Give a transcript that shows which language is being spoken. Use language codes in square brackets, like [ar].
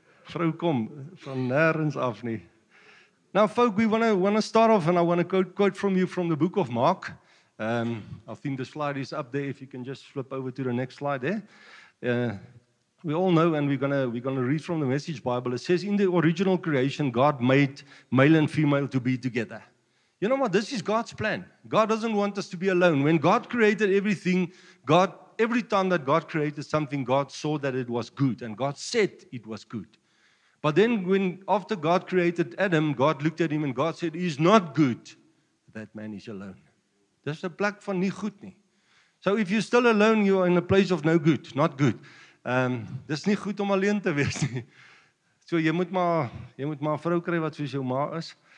[af] Vrou kom van nêrens af nie. [en] Now, folk, we want to start off, and I want to quote from you from the book of Mark. I think the slide is up there. If you can just flip over to the next slide there. We all know, and we're gonna read from the Message Bible. It says, in the original creation, God made male and female to be together. You know what? This is God's plan. God doesn't want us to be alone. When God created everything, every time that God created something, God saw that it was good, and God said it was good. But then when after God created Adam, God looked at him and God said, "He's not good that man is alone." [af] Dis 'n plek van nie goed nie. [en] So if you're still alone, you are in a place of no good, not good. [af] Dis nie goed om alleen te wees nie. So jy moet maar 'n vrou kry wat soos jou ma is.